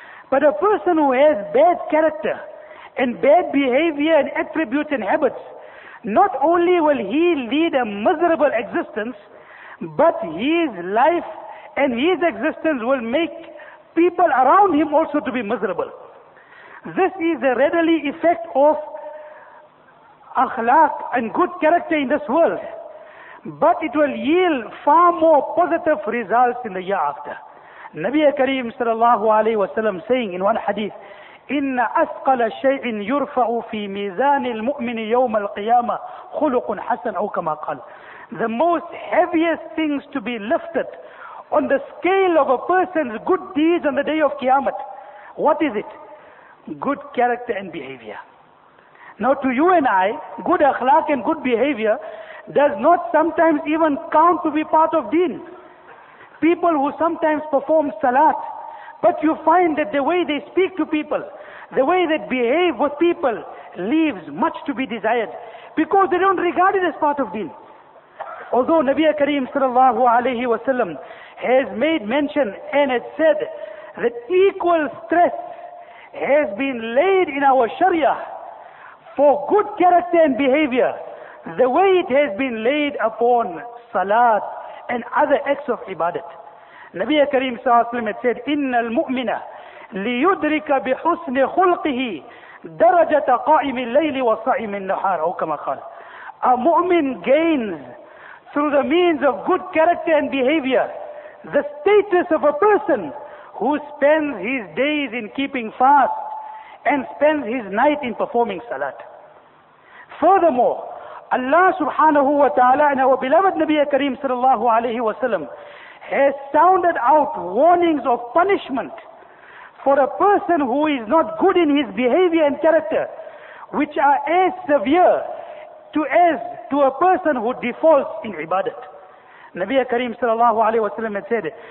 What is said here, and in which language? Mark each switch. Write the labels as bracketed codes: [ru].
[en] But a person who has bad character and bad behavior and attributes and habits, not only will he lead a miserable existence, but his life and his existence will make people around him also to be miserable. This is the readily effect of akhlaq and good character in this world. But it will yield far more positive results in the year after. Nabi Kareem sallallahu alayhi wa sallam saying in one hadith, [ar] إن أثقل شيء يرفع في ميزان المؤمن يوم القيامة خلق حسن أو كما قال. [en] The most heaviest things to be lifted on the scale of a person's good deeds on the day of Qiyamah, what is it? Good character and behavior. Now to you and I, good akhlaq and good behavior does not sometimes even count to be part of deen. People who sometimes perform salat, but you find that the way they speak to people, the way they behave with people, leaves much to be desired, because they don't regard it as part of deen. Although Nabi Kareem sallallahu alayhi wa sallam has made mention and has said that equal stress has been laid in our Sharia for good character and behavior, the way it has been laid upon salat and other acts of ibadat. Nabi Kareem sallallahu alayhi wa sallam had said, [ar] إِنَّ الْمُؤْمِنَ لِيُدْرِكَ بِحُسْنِ خُلْقِهِ دَرَجَةَ قَائِمِ اللَّيْلِ وَصَائِمِ النَّهَارِ أَوْ كَمَا قَالَ. [en] A mu'min gains through the means of good character and behavior the status of a person who spends his days in keeping fast and spends his night in performing salat. Furthermore, Allah subhanahu wa ta'ala and our beloved Nabi Kareem sallallahu alayhi wa sallam has sounded out warnings of punishment for a person who is not good in his behavior and character, which are as severe to a person who defaults in ibadat. Nabi Kareem sallallahu alayhi wa sallam had said,